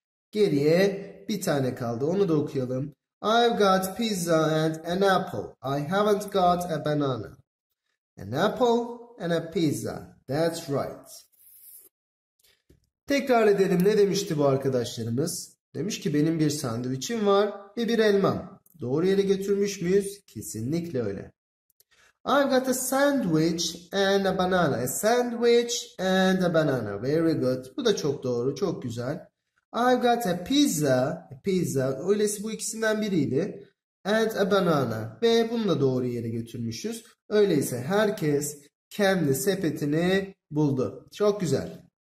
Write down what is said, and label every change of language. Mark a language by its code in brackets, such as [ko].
[tr] Geriye bir tane kaldı. Onu da okuyalım. [en] I've got pizza and an apple. I haven't got a banana. An apple and a pizza. That's right. [tr] Tekrar edelim. Ne demişti bu arkadaşlarımız? Demiş ki benim bir sandviçim var ve bir elmam. Doğru yere götürmüş müyüz? Kesinlikle öyle. [en] I've got a sandwich and a banana. A sandwich and a banana. Very good. [tr] Bu da çok doğru. Çok güzel. [en] I've got a pizza, [tr] öylesi bu ikisinden biriydi. [en] And a banana. [tr] Ve bunu da doğru yere götürmüşüz. Öyleyse herkes kendi sepetini buldu. Çok güzel.